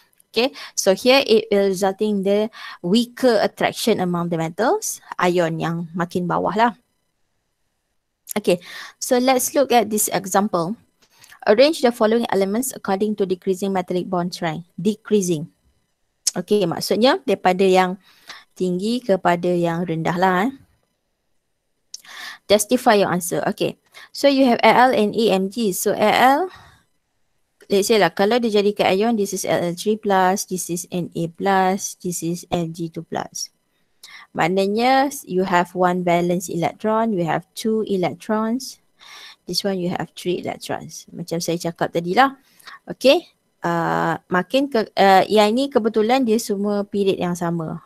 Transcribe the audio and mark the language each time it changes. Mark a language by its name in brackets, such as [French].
[English] Okay, so here it will result in the weaker attraction among the metals, [Malay] ion yang makin bawah lah. [English] Okay, so let's look at this example. Arrange the following elements according to decreasing metallic bond strength. Decreasing. [Malay] Okay, maksudnya daripada yang tinggi kepada yang rendah lah. [English] Justify your answer. Okay, so you have Al and AMG. So Al, let's say lah, [Malay] kalau dia jadikan ion, [English] this is Al3+, this is Na+, this is Mg2+. Maknanya, you have 1 valence electron, you have 2 electrons. This one, you have 3 electrons. [Malay] Macam saya cakap tadi lah. Okay, makin ke, yang ini kebetulan dia semua period yang sama.